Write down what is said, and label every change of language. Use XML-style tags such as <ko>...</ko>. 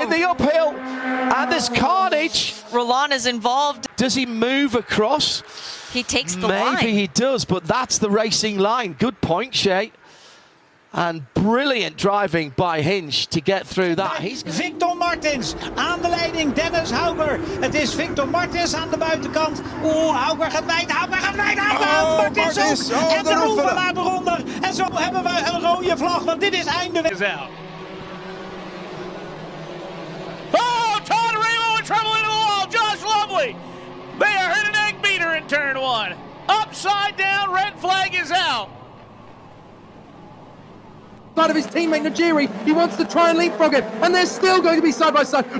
<en>In the uphill. And there's carnage. Roland is involved. Does he move across? He takes the Maybe line. Maybe he does, but that's the racing line. Good point, Shay. And brilliant driving by Hinch to get through that.</en> <nl>He's Victor Martins aan de leiding, Dennis Hauger. Het is Victor Martins aan de buitenkant. Oeh, Hauger gaat wijd, Hauger gaat wijd, Hauger gaat wijd. Martins ook. Oh, en de Roevelaar eronder. En zo hebben we een rode vlag, want dit is einde.</nl> <en>Oh, Todd Raymo in trouble in the wall. Josh Lovely. They are hit an egg beater in turn one. Upside down, red flag is out. Side of his teammate Najiri, he wants to try and leapfrog him, and they're still going to be side by side.</en>